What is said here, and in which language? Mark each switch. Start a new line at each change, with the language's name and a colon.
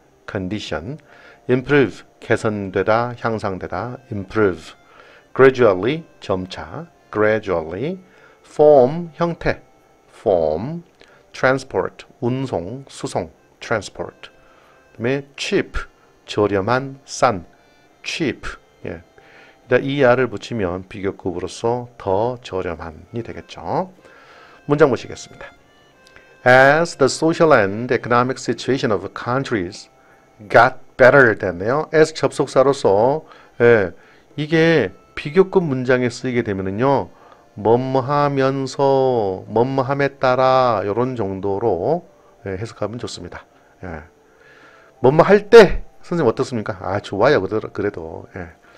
English: condition, improve,
Korean: 개선되다, 향상되다,
English: improve, gradually,
Korean: 점차,
English: gradually, form,
Korean: 형태,
English: form, transport,
Korean: 운송, 수송,
English: transport,
Korean: 그다음에
English: cheap,
Korean: 저렴한, 싼,
English: cheap, 예.
Korean: 이 ER을 붙이면 비교급으로서 더 저렴한이 되겠죠. 문장 보시겠습니다.
English: As the social and economic situation of countries got better
Korean: 됐네요. as 접속사로서 예, 이게 비교급 문장에 쓰이게 되면은요. 뭐뭐하면서 뭐뭐함에 따라 요런 정도로 예, 해석하면 좋습니다. 예. 뭐뭐할 때 선생님 어떻습니까? 아, 좋아요. 그래도. 예.